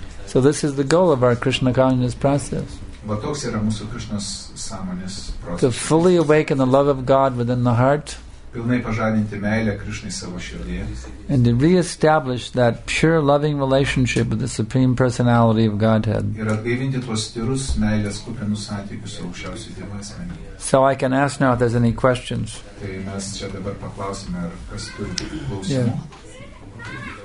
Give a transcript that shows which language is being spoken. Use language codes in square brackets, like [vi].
[en] So this is the goal of our Krishna consciousness process. [lt] Va toks yra mūsų Krishnas sąmonės process. [en] To fully awaken the love of God within the heart. [lt] Pilnai pažadinti meilę Krishnai savo širdyje. [en] And to re-establish that pure loving relationship with the Supreme Personality of Godhead. [lt] Ir atgaivinti tuos tyrus meilės kupinus santykius su aukščiausiu Dievu asmeniu. [en] So I can ask now if there's any questions. [lt] Tai mes čia dabar paklausime, ar kas turi klausimų. [en] Yeah.